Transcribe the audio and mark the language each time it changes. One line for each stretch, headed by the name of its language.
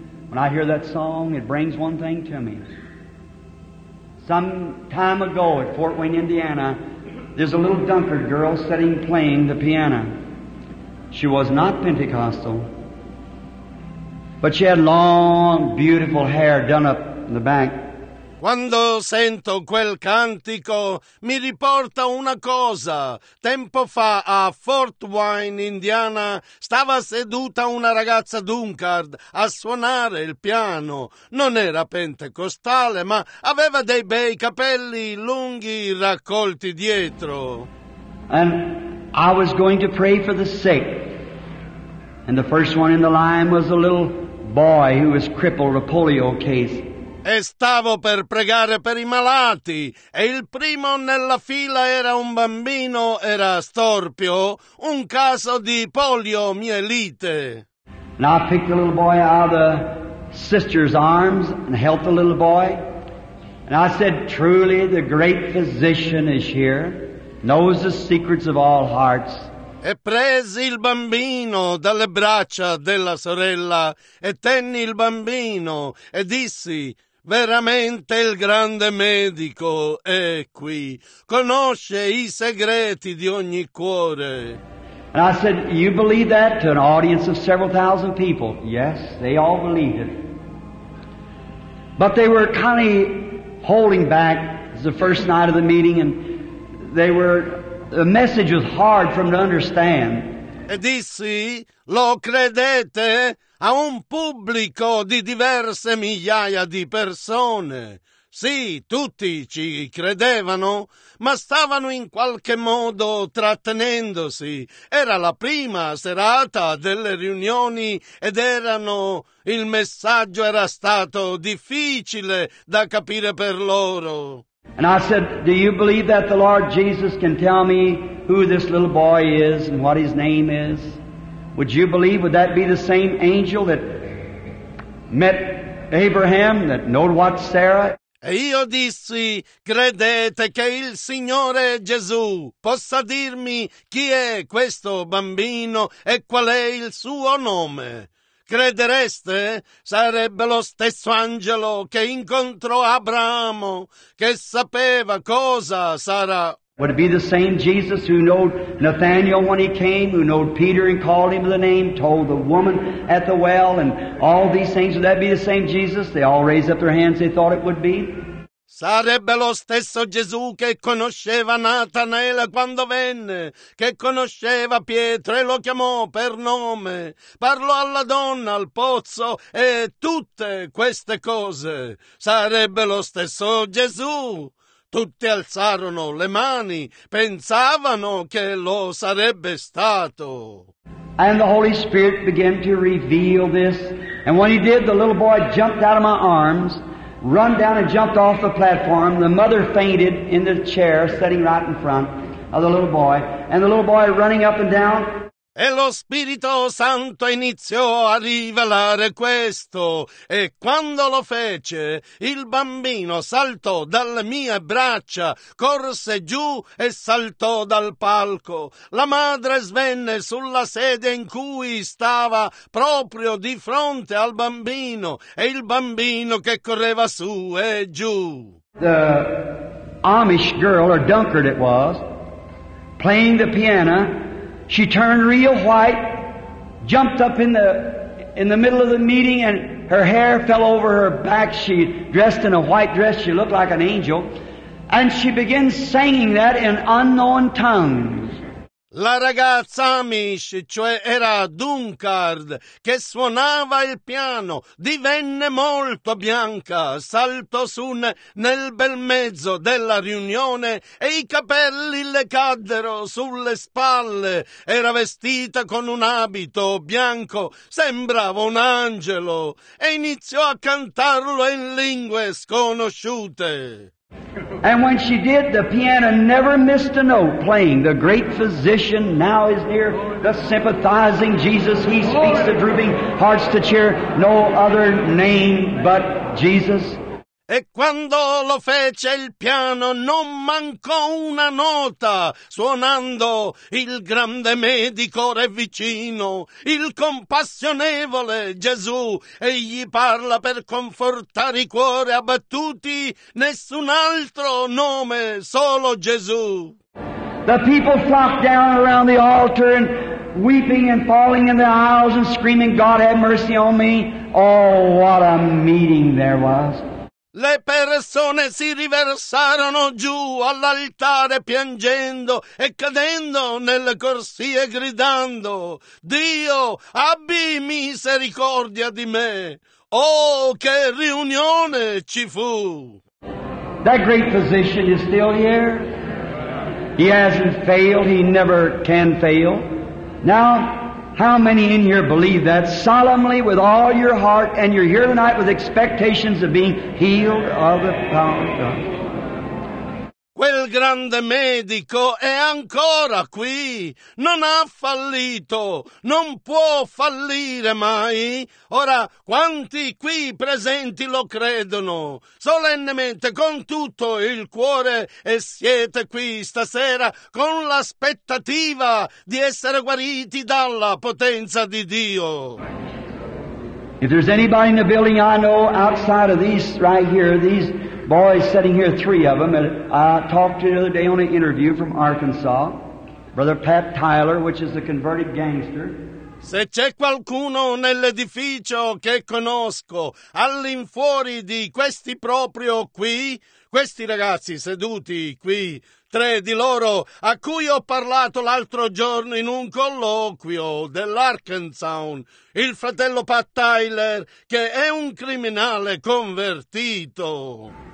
English: When I hear that song, it brings one thing to me. Some time ago at Fort Wayne, Indiana, there's a little Dunkard girl sitting playing the piano. She was not Pentecostal, but she had long, beautiful hair done up in the back.
Italian: Quando sento quel cantico, mi riporta una cosa. Tempo fa a Fort Wayne, Indiana, stava seduta una ragazza Dunkard a suonare il piano. Non era pentecostale, ma aveva dei bei capelli lunghi raccolti dietro.
English: And I was going to pray for the sick. And the first one in the line was a little boy who was crippled, a polio case.
Italian: E stavo per pregare per i malati, e il primo nella fila era un bambino, era storpio, un caso di poliomielite.
English: And I picked the little boy out of the sister's arms and helped the little boy. And I said, truly the great physician is here, knows the secrets of all hearts.
Italian: E presi il bambino dalle braccia della sorella e tenni il bambino e dissi, veramente il grande medico è qui, conosce i segreti di ogni cuore.
English: And I said, you believe that to an audience of several thousand people? Yes, they all believed it. But they were kind of holding back. It was the first night of the meeting, and they were, the message was hard for them to understand.
Italian: E dissi, lo credete a un pubblico di diverse migliaia di persone? Sì, tutti ci credevano, ma stavano in qualche modo trattenendosi. Era la prima serata delle riunioni ed erano, il messaggio era stato difficile da capire per loro.
English: And I said, do you believe that the Lord Jesus can tell me who this little boy is and what his name is? Would you believe, would that be the same angel that met Abraham, that knew what Sarah?
Italian: E io dissi, credete che il Signore Gesù possa dirmi chi è questo bambino e qual è il suo nome? Credereste? Sarebbe lo stesso angelo che incontrò Abramo, che sapeva cosa sarà.
English: Would it be the same Jesus who knew Nathanael when he came, who knew Peter and called him the name, told the woman at the well and all these things? Would that be the same Jesus? They all raised up their hands, they thought it would be.
Italian: Sarebbe lo stesso Gesù che conosceva Natanaele quando venne, che conosceva Pietro e lo chiamò per nome, parlò alla donna, al pozzo e tutte queste cose. Sarebbe lo stesso Gesù. Tutti alzarono le mani, pensavano che lo sarebbe stato.
English: And the Holy Spirit began to reveal this. And when he did, the little boy jumped out of my arms, run down and jumped off the platform. The mother fainted in the chair sitting right in front of the little boy. And the little boy running up and down.
Italian: E lo Spirito Santo iniziò a rivelare questo, e quando lo fece, il bambino saltò dalle mie braccia, corse giù e saltò dal palco. La madre svenne sulla sedia in cui stava proprio di fronte al bambino, e il bambino che correva su e giù.
English: The Amish girl, or Dunkard it was, playing the piano. She turned real white, jumped up in the middle of the meeting, and her hair fell over her back. She dressed in a white dress. She looked like an angel. And she began singing that in unknown tongues.
Italian: La ragazza Amish, cioè era Dunkard, che suonava il piano, divenne molto bianca, saltò su nel bel mezzo della riunione e i capelli le caddero sulle spalle. Era vestita con un abito bianco, sembrava un angelo, e iniziò a cantarlo in lingue sconosciute.
English: And when she did, the piano never missed a note playing. The great physician now is near, the sympathizing Jesus. He speaks the drooping hearts to cheer. No other name but Jesus.
Italian: E quando lo fece il piano, non mancò una nota, suonando il grande medico re vicino, il compassionevole Gesù. Egli parla per confortare i cuori abbattuti, nessun altro nome, solo Gesù.
English: The people flocked down around the altar and weeping and falling in the aisles and screaming, God have mercy on me. Oh, what a meeting there was.
Italian: Le persone si riversarono giù all'altare piangendo e cadendo nelle corsie gridando, Dio, abbi misericordia di me. Oh, che riunione ci fu!
English: That great physician is still here. He hasn't failed. He never can fail. Now, how many in here believe that solemnly with all your heart, and you're here tonight with expectations of being healed of the power of God?
Italian: Quel grande medico è ancora qui, non ha fallito, non può fallire mai. Ora, quanti qui presenti lo credono solennemente con tutto il cuore e siete qui stasera con l'aspettativa di essere guariti dalla potenza di Dio?
English: If there's anybody in the building I know outside of these right here, these boys sitting here, three of them, and I talked to you the other day on an interview from Arkansas, Brother Pat Tyler, which is a converted gangster.
Italian: Se c'è qualcuno nell'edificio che conosco all'infuori di questi proprio qui, questi ragazzi seduti qui, tre di loro a cui ho parlato l'altro giorno in un colloquio dell'Arkansas, il fratello Pat Tyler, che è un criminale convertito.